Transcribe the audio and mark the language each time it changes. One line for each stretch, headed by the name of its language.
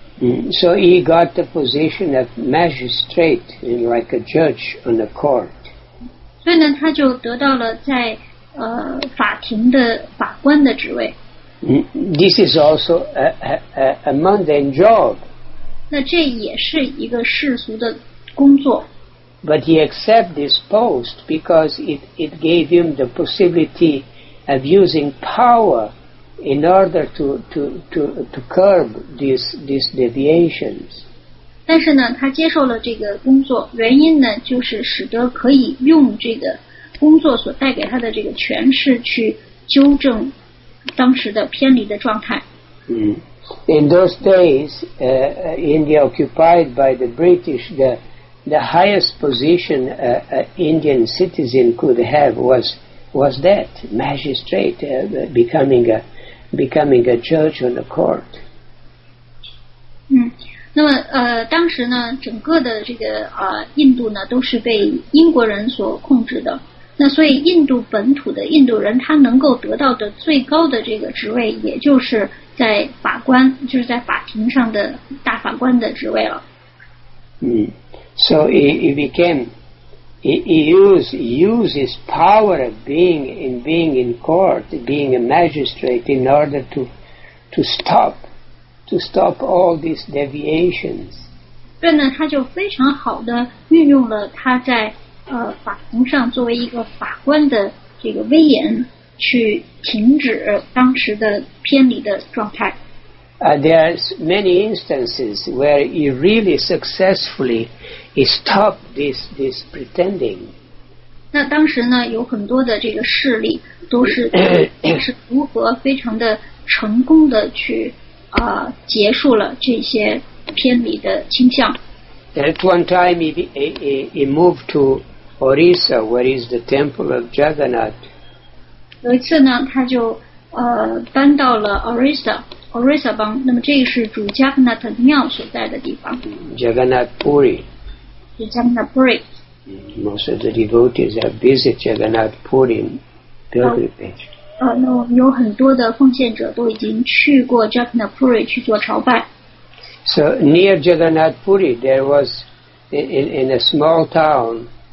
English: So he got the position of magistrate, like a judge on the court.
Chinese: 所以呢，他就得到了在法庭的法官的职位。
English: This is also a mundane job.
Chinese: 那这也是一个世俗的工作。
English: But he accepted this post because it gave him the possibility of using power in order to curb these deviations.
Chinese: 但是呢，他接受了这个工作，原因呢，就是使得可以用这个工作所带给他的这个权势去纠正当时的偏离的状态。
English: In those days, India occupied by the British, the highest position an Indian citizen could have was that magistrate, becoming a judge on the court.
Chinese: 那么当时呢，整个的这个印度呢，都是被英国人所控制的。那所以印度本土的印度人他能够得到的最高的这个职位也就是在法官，就是在法庭上的大法官的职位了。
English: So he uses power of being in court, being a magistrate in order to stop all these deviations.
Chinese: 所以呢，他就非常好的运用了他在法庭上作为一个法官的这个威严去停止当时的偏离的状态。
English: There are many instances where he really successfully stopped this pretending.
Chinese: 那当时呢，有很多的这个事例都是如何非常的成功的去结束了这些偏离的倾向。
English: At one time he moved to Orissa, where is the temple of Jagannath.
Chinese: 有一次呢，他就搬到了 Orissa 邦，那么这是主加格纳特庙所在的地方。
English: Jagannath Puri.
Chinese: Jagannath Puri.
English: Most of the devotees have visited Jagannath Puri in pilgrimage.
Chinese: 那有很多的奉献者都已经去过 Jagannath Puri 去做朝拜。
English: So near Jagannath Puri, there was in a small town.